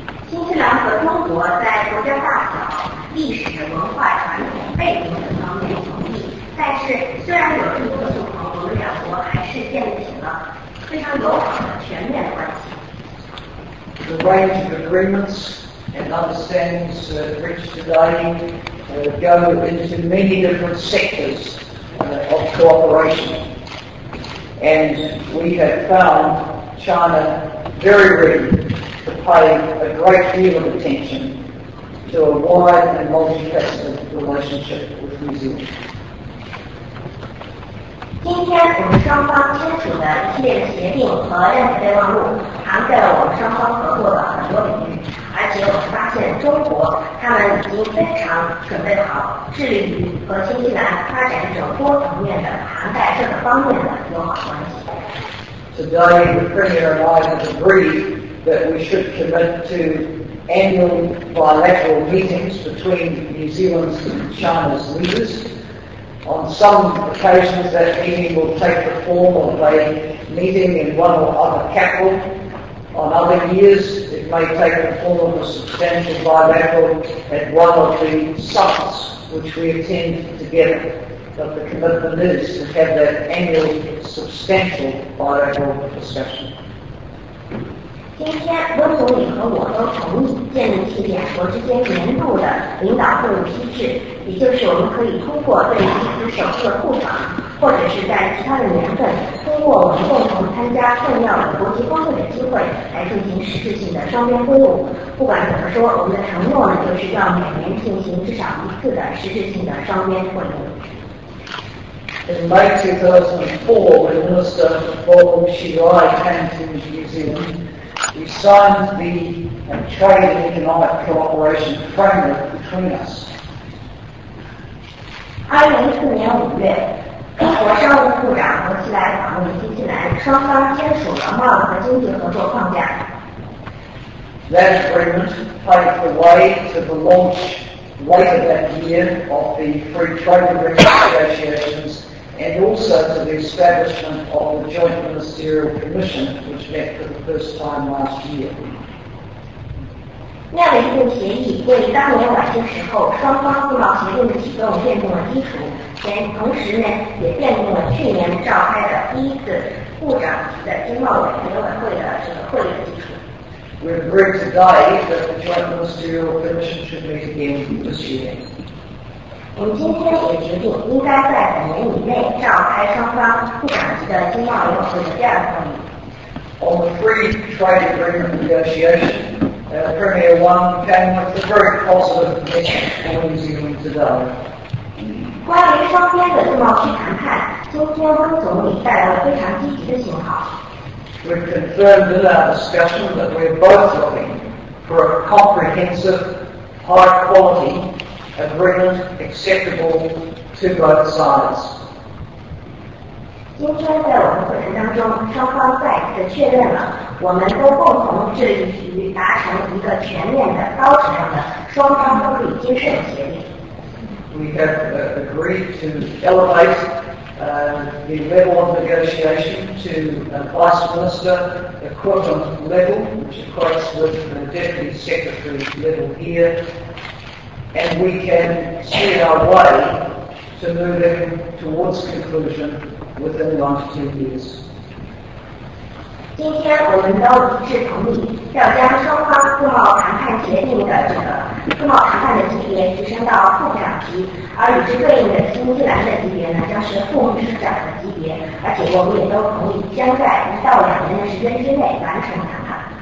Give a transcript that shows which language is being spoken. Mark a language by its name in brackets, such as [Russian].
[Chinese] 新西兰和中国在国家大小、历史文化传统背景等方面有同意，但是虽然有这么多不同，我们两国还是建立起了非常友好的全面关系。 [English] The range of agreements and understandings reached today go into many different sectors of cooperation. And we have found China very ready to pay a great deal of attention to a wide and multifaceted relationship with New Zealand. [Chinese] 今天我们双方签署的一系列协定和谅解备忘录涵盖了我们双方合作的很多领域，而且我们发现中国他们已经非常准备好致力于和新西兰发展这种多层面的涵盖各个方面的友好关系。 [English] Today, the Premier and I have agreed that we should commit to annual bilateral meetings between New Zealand's and China's leaders. On some occasions, that meeting will take the form of a meeting in one or other capital. On other years, it may take the form of a substantial bilateral at one of the summits which we attend together. But the commitment is to have that annual substantial bilateral discussion. [Chinese] 今天温总理和我都同意建立起两国之间年度的领导会晤机制，也就是我们可以通过对彼此首次的互访，或者是在其他的年份，通过我们共同参加重要的国际峰会的机会来进行实质性的双边会晤。不管怎么说，我们的承诺呢，就是要每年进行至少一次的实质性的双边会晤。 [English] In May 2004, when Minister Bo Xilai came to New Zealand, we signed the Trade and Economic Cooperation Framework between us. [Chinese] 2004年5月，英国商务部长薄熙来访问新西兰，双方签署了贸易和经济合作框架。 [English] That agreement paved the way to the launch later that year of the Free Trade and Negotiations. And also to the establishment of the Joint Ministerial Commission, which met for the first time last year. [Chinese] 那样的一份协议为当年晚些时候双方自贸协定的启动奠定了基础，同时呢，也奠定了去年召开的第一次部长的经贸委员会的这个会议的基础。 [English] We agreed today that the Joint Ministerial Commission should meet again this year. [Chinese] 我们今天也决定应该在本年以内召开双方部长级的经贸委员会的第二次会议。 [English] On the free trade agreement negotiation, Premier Wang came with a very positive message for New Zealand today. [Chinese] 关于双边的经贸去谈判，今天温总理带来了非常积极的信号。 [English] We've confirmed in our discussion that we're both looking for a comprehensive, high quality. Agreement acceptable to both sides. [Chinese] 今天在我们会谈当中，双方再次确认了，我们都共同致力于达成一个全面的、高质量的、双方都可以接受的协定。 [English] We have agreed to elevate the level of negotiation to a vice minister equivalent level, which equates with the deputy secretary level here. And we can see our way to moving towards conclusion within 1 to 2 years. [Chinese] 今天我们都一致同意，要将双方自贸谈判协定的这个自贸谈判的级别提升到副部长级，而与之对应的新西兰的级别呢，将是副秘书长的级别。而且我们也都同意，将在1到2年的时间之内完成谈判。